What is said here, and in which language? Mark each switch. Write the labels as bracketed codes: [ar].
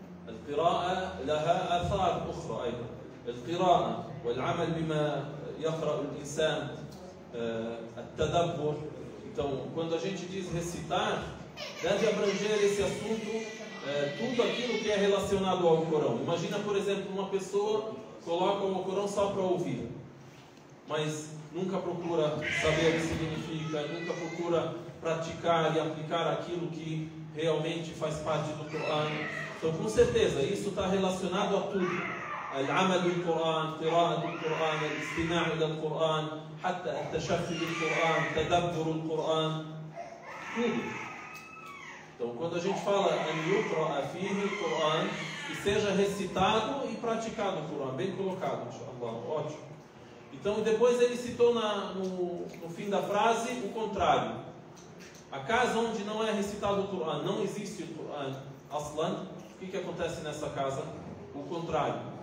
[ar] القراءة لها آثار أخرى أيضا. القراءة والعمل بما يقرأ الإنسان التدبر. [pt] Então, quando a gente diz recitar, deve abranger esse assunto tudo aquilo que é relacionado ao Corão. Imagina, por exemplo, uma pessoa coloca o Corão só para ouvir, mas nunca procura saber o que significa, nunca procura praticar e aplicar aquilo que realmente faz parte do Corão. Então, com certeza, isso está relacionado a tudo. [ar] العمل بالقرآن، قراءة القرآن، الاستماع إلى القرآن، حتى التشفي بالقرآن، تدبر القرآن. [pt] Então, quando a gente fala em yukra, afirme o Coran, que seja recitado e praticado o Coran. Bem colocado, inshallah. Ótimo. Então, depois ele citou no fim da frase o contrário. A casa onde não é recitado o Coran, não existe o Coran, aslan, o que acontece nessa casa? O contrário.